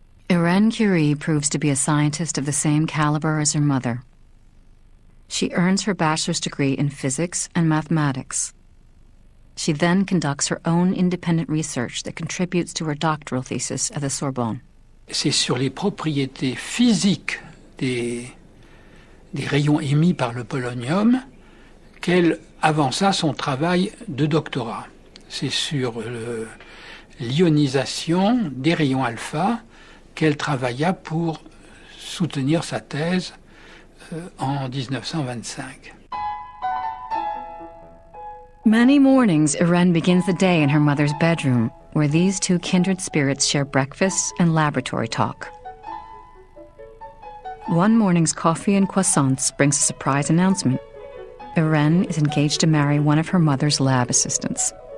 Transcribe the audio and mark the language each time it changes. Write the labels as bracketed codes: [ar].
[en] Irene Curie proves to be a scientist of the same caliber as her mother. She earns her bachelor's degree in physics and mathematics. She then conducts her own independent research that contributes to her doctoral thesis at the Sorbonne. [fr] C'est sur les propriétés physiques des rayons émis par le polonium qu'elle avança son travail de doctorat. C'est sur l'ionisation des rayons alpha qu'elle travailla pour soutenir sa thèse en 1925. [en] Many mornings, Irene begins the day in her mother's bedroom, where these two kindred spirits share breakfast and laboratory talk. One morning's coffee and croissants brings a surprise announcement. Irene is engaged to marry one of her mother's lab assistants.